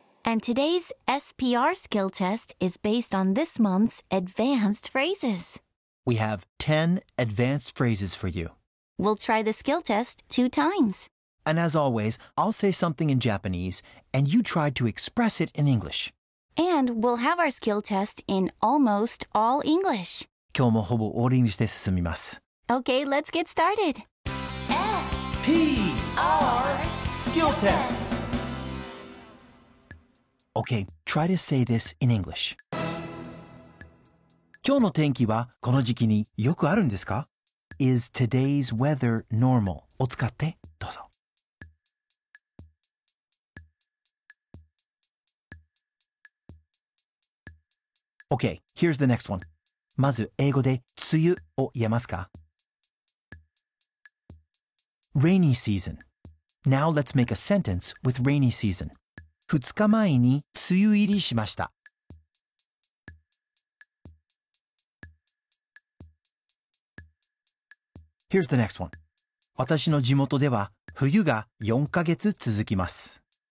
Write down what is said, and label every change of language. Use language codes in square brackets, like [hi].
[en] And today's SPR skill test is based on this month's advanced phrases. We have 10 advanced phrases for you. We'll try the skill test 2 times. And as always, I'll say something in Japanese, and you try to express it in English. And we'll have our skill test in almost all English. [ja] 今日もほぼオールイングリッシュで進みます。 [en] Okay, let's get started. S-P-R skill test. Okay, try to say this in English. [ja] 今日の天気はこの時期によくあるんですか? [en] Is today's weather normal? [ja] を使ってどうぞ。 [en] Okay, here's the next one. [ja] まず英語で梅雨を言えますか? [en] Rainy season. Now let's make a sentence with rainy season. [ja] 2日前に梅雨入りしました。 [en] Here's the next one. [ja] 私の地元では冬が4ヶ月続きます。